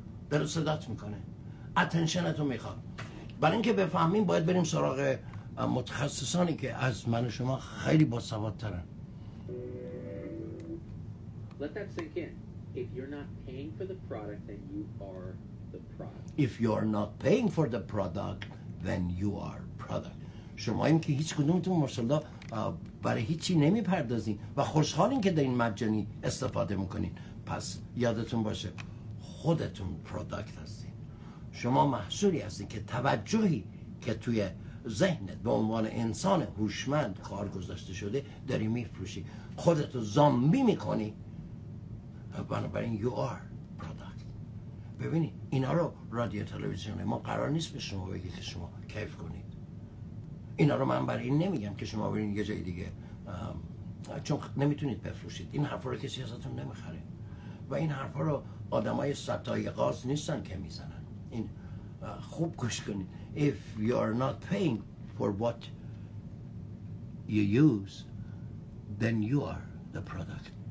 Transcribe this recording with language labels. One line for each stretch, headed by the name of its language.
Persian: داره صدات میکنه، اتنشن تو میخواد. برای اینکه بفهمیم باید بریم سراغ متخصصانی که از من و شما خیلی با سواد ترن.
English: Let that sink in. If you're not paying for the product, then you are If you are not paying for the product, then you are product.
Persian: شما این که هیچ کدومتون ماشاءالله برای هیچی نمیپردازین و خوشحالین که دارین مجانی استفاده میکنین. پس یادتون باشه خودتون product هستین. شما محصولی هستین که توجهی که توی ذهنت به عنوان انسان هوشمند کار گذاشته شده داری میفروشی. خودتو زامبی میکنی. بنابراین
English: you are.
Persian: ببینی اینا رو رادیو تلویزیون ما قرار نیست به شما بگی که شما کیف کنید. اینا رو من برای این نمیگم که شما برین یه جای دیگه، چون نمیتونید بفروشید این حرفا رو، کسی ازتون نمیخره و این حرفا رو آدمای ستای قاز نیستن که میزنن. این خوب گوش کنید.
English: If you are not paying for what you use, then you are the product.